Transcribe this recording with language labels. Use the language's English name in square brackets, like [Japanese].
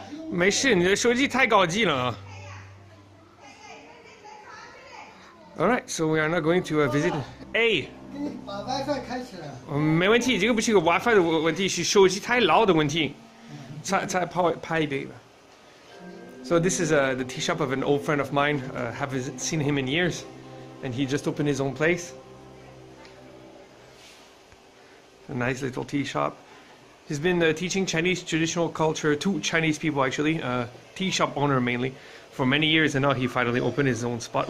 [Chinese] 没事，你的手机太高级了啊。 [English] All right, so we are not going to visit. A， [Chinese] 给你把 WiFi 开起来。没问题，这个不是个 WiFi 的问题，是手机太老的问题。再拍一杯吧。 [English] So this is the teashop of an old friend of mine. Haven't seen him in years, and he just opened his own place. A nice little teashop. He's been teaching Chinese traditional culture to Chinese people, actually, teashop owner mainly, for many years, and now he finally opened his own spot.